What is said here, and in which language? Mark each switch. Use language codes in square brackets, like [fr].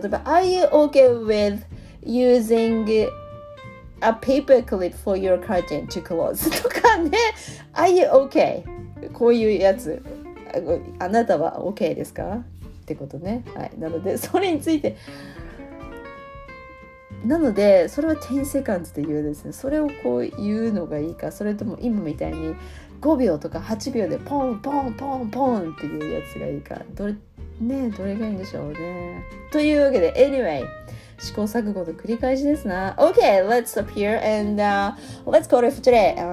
[en] 例えば Are you okay with using a paper clip for your curtain to close? とかね、 Are you okay? [ja] こういうやつ、あなたは okay ですかってことね。はい、なのでそれについて、なのでそれは10セカンズで言うですね、それをこう言うのがいいか、それとも今みたいに5秒とか8秒でポンポンポンポンっていうやつがいいか、どれがいいんでしょうね。というわけで Anyway、 試行錯誤の繰り返しですな。 [en] OK, let's stop here and let's call it for today.